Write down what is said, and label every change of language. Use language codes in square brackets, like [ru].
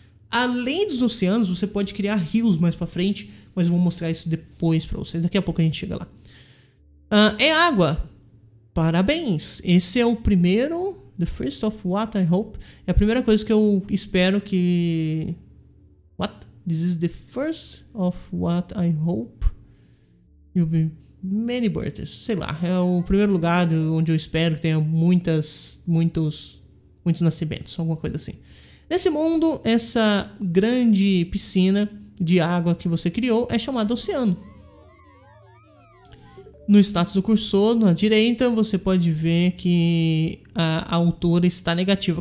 [pt] Além dos oceanos, você pode criar rios mais pra frente, mas eu vou mostrar isso depois pra vocês. Daqui a pouco a gente chega lá. É água. Parabéns. Esse é o primeiro... [en] The first of what, I hope. [pt] É a primeira coisa que eu espero que... [en] What? This is the first of what I hope you'll be many birthdays. [pt] Sei lá, é o primeiro lugar onde eu espero que tenha muitos nascimentos, alguma coisa assim. Nesse mundo, essa grande piscina de água que você criou é chamada oceano. No status do cursor, na direita, você pode ver que a altura está negativa.